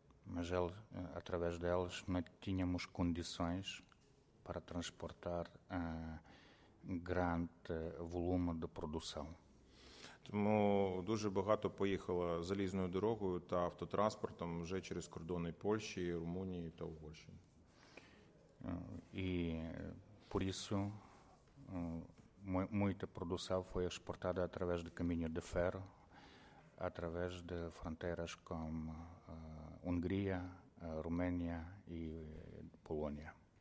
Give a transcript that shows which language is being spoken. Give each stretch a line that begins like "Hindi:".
Portuguese: Mas através deles não tínhamos condições para transportar grande volume de produção.
Ukrainian: Тому дуже багато поїхало залізною дорогою та автотранспортом вже через кордони Польщі, Румунії та Угорщини.
Portuguese: І por isso muita produção foi exportada através de caminho de ferro, através de fronteiras com Hungria, Romênia e Polônia.